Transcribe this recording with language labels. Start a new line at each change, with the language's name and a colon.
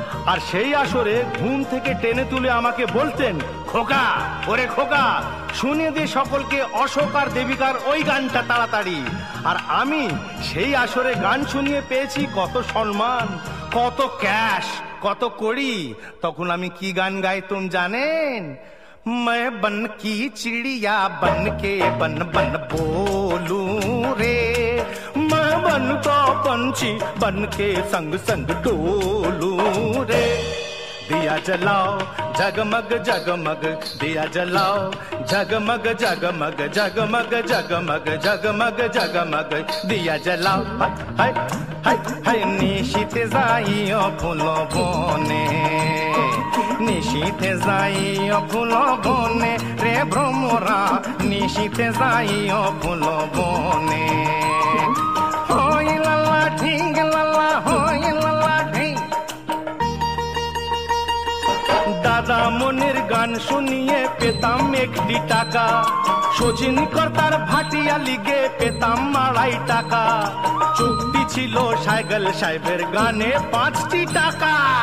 Bangla: আর সেই আসরে ঘুম থেকে টেনে তুলে আমাকে বলতেন, খোকা ওরে খোকা, শুনিয়ে দিয়ে সকলকে অশোক আর দেবিকার ওই গানটা তাড়াতাড়ি। আর আমি সেই আসরে গান শুনিয়ে পেয়েছি কত সম্মান, কত ক্যাশ, কত কড়ি। তখন আমি কি গান গাই তুম জানেন?
Hindi: मैं बन की चिड़िया बन के बन बन बोलू रे, मैं बन तो पंछी बन के संग संग डोलू रे। दिया जलाओ जगमग जगमग, दिया जलाओ जगमग जगमग, जगमग जगमग जगमग जगमग, दिया जलाओ।
Bangla: हाय हाय हाय हाय, निशित जाइयो फूलो बोने, নিশীতে যাইও ফুল বনে রে ভ্রমরা, নিশীতে যাইও ফুল বনে। হই লালা ঢিঙ্গ লালা, হই লালা ঢিঙ্গ, দাদা মনের গান শুনিয়ে পেতাম একটি টাকা, সজিন কর্তার ভাটিয়া লিগে পেতাম আড়াই টাকা, চুক্তি ছিল সাইগল সাহেবের গানে পাঁচটি টাকা।